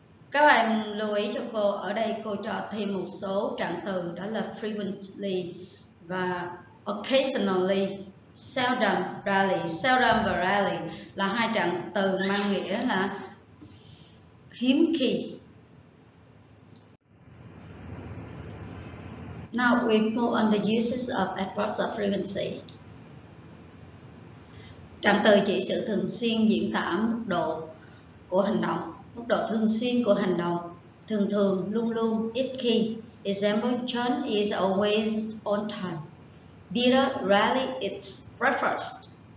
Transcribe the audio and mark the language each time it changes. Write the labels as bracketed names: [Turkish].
[Vietnamese] Các bạn lưu ý cho cô, ở đây cô cho thêm một số trạng từ, đó là frequently và occasionally, seldom, rarely. Seldom và rarely là hai trạng từ mang nghĩa là hiếm khi. [English] Now we move on the uses of adverbs of frequency. [Vietnamese] Trạng từ chỉ sự thường xuyên diễn tả mức độ của hành động, mức độ thường xuyên của hành động, thường thường, luôn luôn, ít khi. [English] Example: John is always on time. Peter rarely eats breakfast.